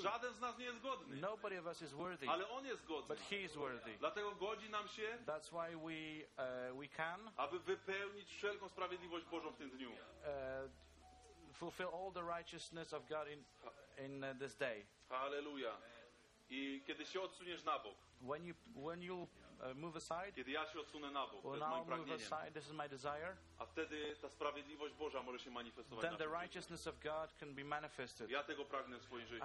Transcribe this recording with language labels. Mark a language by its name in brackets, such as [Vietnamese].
[Polish] Żaden z nas nie jest godny. [English] Nobody of us is worthy. [Polish] Ale On jest godny. [English] But He is worthy. [Polish] Dlatego godzi nam się. [English] That's why we can. [Polish] Aby wypełnić wszelką sprawiedliwość Bożą w tym dniu. [English] Fulfill all the righteousness of God in this day. Hallelujah. [Polish] I kiedy się odsuniesz na bok. [English] When you move aside. [Polish] Kiedy ja się odsunę na bok. [English] When I move aside, this is my desire. [Polish] A wtedy ta sprawiedliwość Boża może się manifestować. [English] Then the righteousness of God can be manifested. [Polish] Ja tego pragnę w swoim życiu.